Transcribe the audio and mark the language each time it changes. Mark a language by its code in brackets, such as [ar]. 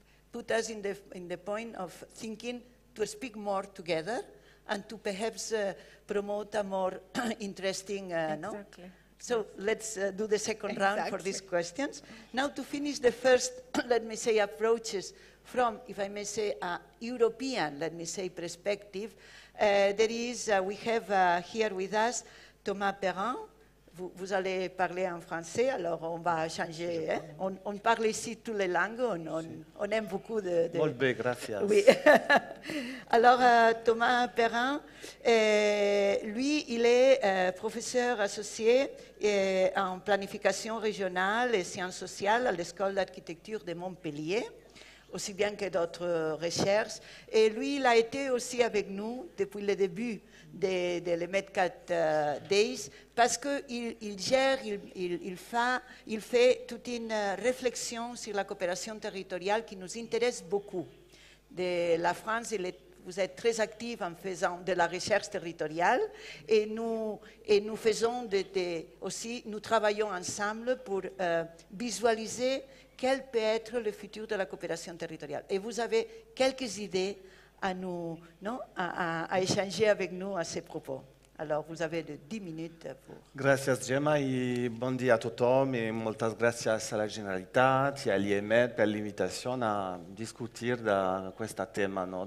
[en] put us in the point of thinking to speak more together and to perhaps promote a more interesting, So let's do the second round for these questions. Now to finish the first, let me say, approaches from, if I may say, a European, let me say, perspective. There is, we have here with us Thomas Perrin. [fr] Vous allez parler en français, alors on va changer. Hein? On parle ici toutes les langues, on aime beaucoup de... [ca] Molt bé, [es] gracias. [fr] Oui. Alors Thomas Perrin, lui, il est professeur associé en planification régionale et sciences sociales à l'École d'architecture de Montpellier, aussi bien que d'autres recherches. Et lui, il a été aussi avec nous depuis le début de les Medcat Days, parce qu'il gère, il fait toute une réflexion sur la coopération territoriale qui nous intéresse beaucoup. De la France, vous êtes très active en faisant de la recherche territoriale et nous faisons aussi, nous travaillons ensemble pour visualiser quel peut être le futur de la coopération territoriale. Et vous avez quelques idées à échanger avec nous à ces propos. Alors, vous avez de 10 minutes pour... [es] Gracias, Gemma, y buen día a todos. Y muchas gracias a la Generalitat y a l'IEMED por la invitación a discutir de este tema, ¿no?